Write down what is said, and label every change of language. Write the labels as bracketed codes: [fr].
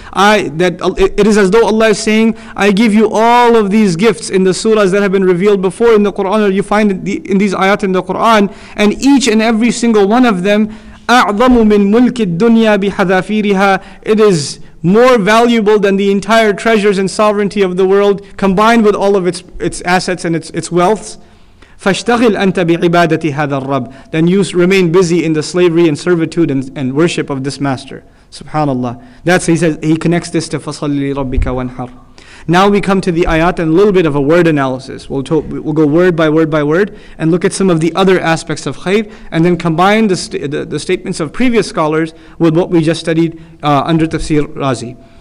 [en] It is as though Allah is saying, "I give you all of these gifts in the surahs that have been revealed before in the Quran, or you find in these ayat in the Quran, and each and every single one of them, [ar] أعظم من ملك الدنيا بحذافيرها. [en] It is more valuable than the entire treasures and sovereignty of the world, combined with all of its assets and its wealth. [ar] فاشتغل أنت بعبادة هذا الرب. [en] Then you remain busy in the slavery and servitude and worship of this master. Subhanallah. That's he says. He connects this to [ar] فصلي ربك وانحر. [en] Now we come to the ayat and a little bit of a word analysis. We'll go word by word by word and look at some of the other aspects of khayr and then combine the statements of previous scholars with what we just studied under Tafsir Razi.